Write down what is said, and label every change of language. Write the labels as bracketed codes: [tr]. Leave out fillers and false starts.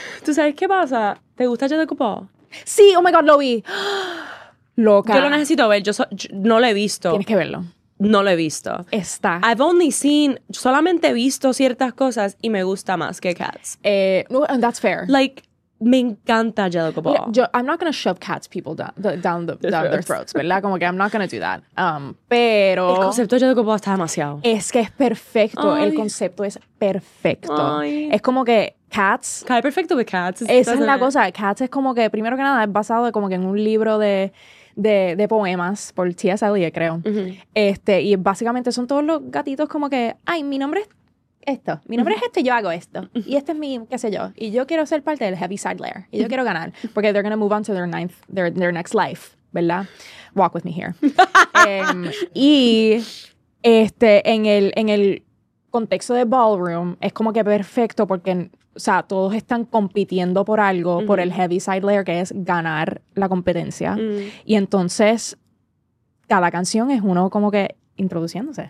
[es] ¿Tú sabes qué pasa? ¿Te gusta Jet Ocupado? Sí, [en] oh my God, [es] lo vi. Loca. Yo lo necesito ver. Yo no lo he visto. Tienes que verlo. No lo he visto. Está. [en] I've only seen, [es] solamente he visto ciertas cosas y me gusta más que Cats. [en] And that's fair. Like... [es] me encanta Jet Ocupado. [en] You know, I'm not going to shove cats people down their throats, [es] ¿verdad? Como que [en] I'm not going to do that. [es] Pero... el concepto de Jet Ocupado está demasiado. Es que es perfecto. Ay. El concepto es perfecto. Ay. Es como que Cats... cae perfecto [en] with Cats. [es] Esa es la cosa. Cats es como que, primero que nada, es basado como que en un libro de poemas por T.S. Eliot, creo. Uh-huh. Este, y básicamente son todos los gatitos como que, ay, mi nombre es... esto. Mi nombre, uh-huh, es este, yo hago esto. Y este es mi, qué sé yo. Y yo quiero ser parte del Heavy Side Layer. Y yo quiero ganar. Porque [en] they're going to move on to their next life. [es] ¿Verdad? [en] Walk with me here. [es] y este, en el contexto de ballroom, es como que perfecto porque, o sea, todos están compitiendo por algo, uh-huh, por el Heavy Side Layer, que es ganar la competencia. Uh-huh. Y entonces, cada canción es uno como que introduciéndose.